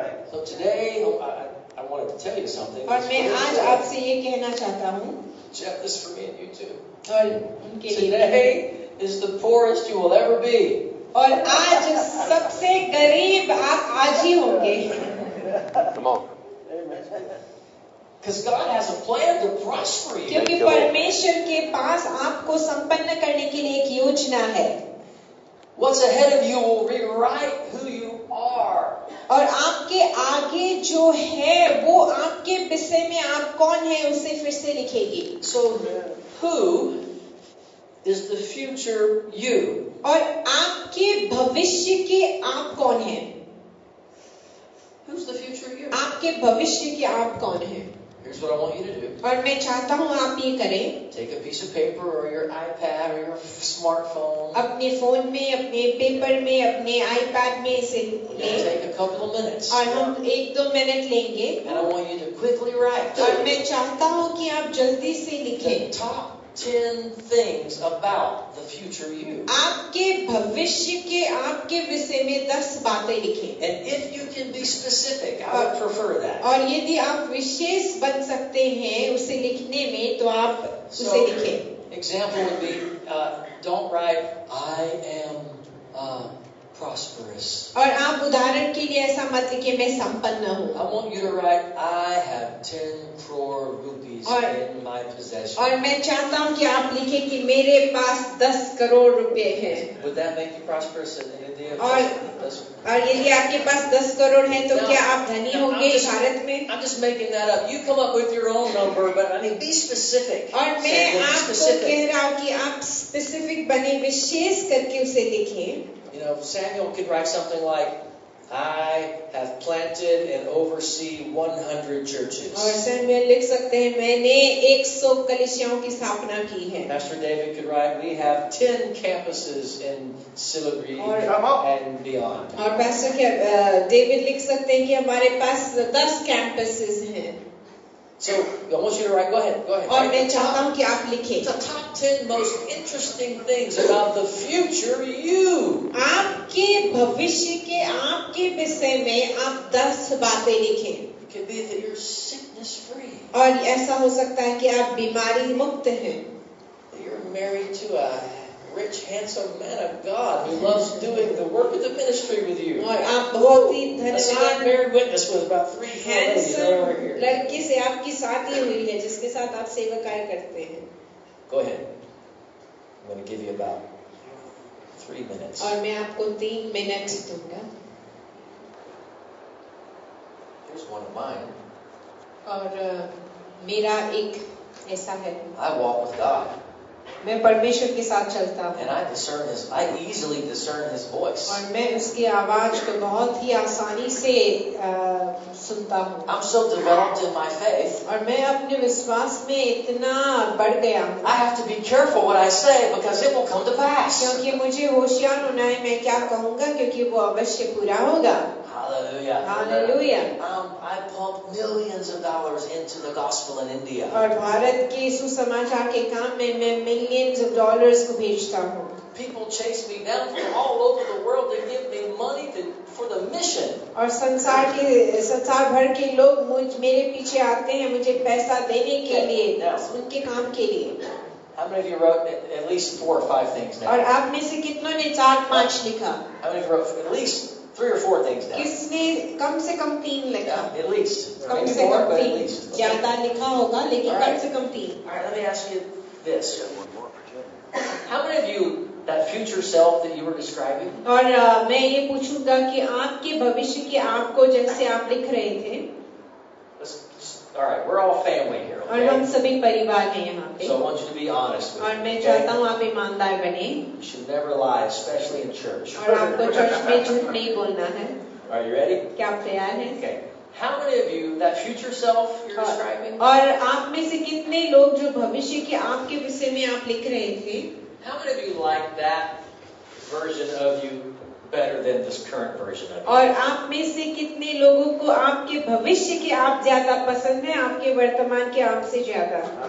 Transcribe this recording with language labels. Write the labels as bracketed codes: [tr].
[en] So today, I wanted to tell you something. [hi] और मैं आज आपसे ये कहना चाहता हूँ. [en] Jeff, this is for me and you too. [hi] और उनके लिए. [en] Today is the poorest you will ever be. [hi] और आज सबसे गरीब आप आज ही होंगे. [en] Come on. Because God has a plan to prosper you. [hi] क्योंकि परमेश्वर के पास आपको संपन्न करने के लिए एक योजना है. [en] What's ahead of you will rewrite who you are. [hi] और आपके आगे जो है वो आपके विषय में आप कौन है उसे फिर से लिखेगी. [en] So, who is the future you? [hi] और आपके भविष्य के आप कौन है? [en] Who's the future you? [hi] आपके भविष्य के आप कौन है? [en] Here's what I want you to do. [hi] और मैं चाहता हूँ आप ये करें. [en] Take a piece of paper or your iPad or your smartphone. [hi] अपने फोन में अपने पेपर में अपने iPad में इसे लें. [en] Take a couple of minutes. [hi] और हम एक दो मिनट लेंगे. [en] And I want you to quickly write. [hi] और मैं चाहता हूँ कि आप जल्दी से लिखें. [en] The top 10 things about the future you. [hi] आपके भविष्य के आपके विषय में 10 बातें लिखें. [en] And if you can be specific, I would prefer that. [hi] और यदि आप विशेष बन सकते हैं उसे लिखने में तो आप उसे लिखें. [en] Example would be, don't write, I am prosperous. [hi] और आप उदाहरण के लिए ऐसा मत लिखिए मैं संपन्न हूँ. [en] I want you to write, I have 10 crore rupees in my possession. [hi] और मैं चाहता हूँ कि आप लिखें कि मेरे पास 10 करोड़ रुपए हैं. [en] Would that make you prosperous in India? [hi] और यदि आपके पास 10 करोड़ हैं तो क्या आप धनी होंगे भारत में? [en] I'm just making that up. You come up with your own number, but I mean be specific. [hi] और मैं आपको कह रहा हूँ कि आप specific बने विशेष करके उसे लिखें. [en] You know, Samuel could write something like, I have planted and oversee 100 churches. [hi] और सैमुएल लिख सकते हैं मैंने 100 कलीसियाओं की स्थापना की है. [en] Pastor David could write, we have 10 campuses in Siliguri and beyond. [hi] और पास्टर डेविड लिख सकते हैं कि हमारे पास 10 कैंपसेस हैं. [en] So, I want you to write, go ahead. [hi] और मैं चाहता हूँ कि आप लिखें. [en] The top 10 most interesting things about the future you. [hi] आपके भविष्य के आपके विषय में आप 10 बातें लिखें. [en] It could be that you're sickness free. [hi] और ऐसा हो सकता है कि आप बीमारी मुक्त हैं. [en] You're married to a rich, handsome man of God who loves doing the work of the ministry with you. [hi] और आप बहुत ही धनवान [en] married witness with about 3-4 [hi] लड़की से आपकी शादी हुई है जिसके साथ आप सेवा कार्य करते हैं. [en] Go ahead. I'm going to give you about 3 minutes. [hi] और मैं आपको 3 मिनट दूंगा. [en] Here's one of mine. [hi] और मेरा एक ऐसा है. [en] I walk with God. [hi] मैं परमेश्वर के साथ चलता हूँ. [en] And I discern His, I easily discern His voice. [hi] और मैं उसकी आवाज को बहुत ही आसानी से सुनता हूँ. [en] I'm so developed in my faith. [hi] और मैं अपने विश्वास में इतना बढ़ गया. [en] I have to be careful what I say because it will come to pass. [hi] क्योंकि मुझे होशियार होना है मैं क्या कहूँगा क्योंकि वो अवश्य पूरा होगा. [en] Hallelujah. I pump millions of dollars into the gospel in India. [hi] और भारत के सुसमाचार के काम में मैं [en] millions of dollars [hi] को भेजता हूँ. [en] People chase me down from all over the world. They give me money for the mission. [hi] और संसार भर के लोग मेरे पीछे आते हैं मुझे पैसा देने के लिए उनके काम के लिए. [en] How many of you wrote at least four or five things now? [hi] और आप में से कितनों ने चार पांच लिखा? [en] How many of you wrote at least three or four things down? [hi] किसने कम से कम तीन लिखा? [en] Yeah, at least. [hi] कम से कम तीन. ज्यादा लिखा होगा लेकिन कम से कम तीन. [en] All right, let me ask you this. How many of you, that future self that you were describing? [hi] और मैं ये पूछूंगा कि आपके भविष्य के आपको जैसे आप लिख रहे थे. [en] All right, we're all family here. Okay? [hi] और हम सभी परिवार हैं यहाँ पे. [en] So I want you to be honest with me. [hi] और मैं चाहता हूँ आप ईमानदार बने. [en] You should never lie, especially in church. [hi] और आपको चर्च में झूठ नहीं बोलना है. [en] Are you ready? [hi] क्या आप तैयार हैं? [en] Okay. How many of you, that future self you're describing? [hi] और आप में से कितने लोग जो भविष्य के आपके विषय में आप लिख रहे थे? [en] How many of you like that version of you better than this current version of it? [hi] और आप में से कितने लोगों को आपके भविष्य के आप ज्यादा पसंद है आपके वर्तमान के आप से ज्यादा?